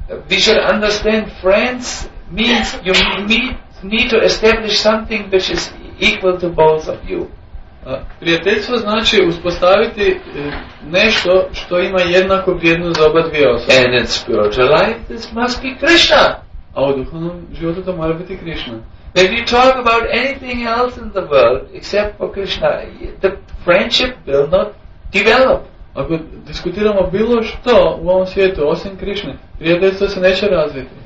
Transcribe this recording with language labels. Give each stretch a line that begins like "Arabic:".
English: We should understand friends means you need to establish something which is equal to both of you.
Croatian: Prijateljstvo znači uspostaviti nešto što ima jednaku vrijednost za oba dvije osobe.
English: And in spiritual life, this must be Krishna.
Croatian: A u duhovnom životu to mora biti Krishna.
English: When you talk about anything else in the world except for Krishna, the friendship will not develop.
Croatian: Ako diskutiramo bilo što u ovom svijetu osim Krishne, prijateljstvo se neće razviti.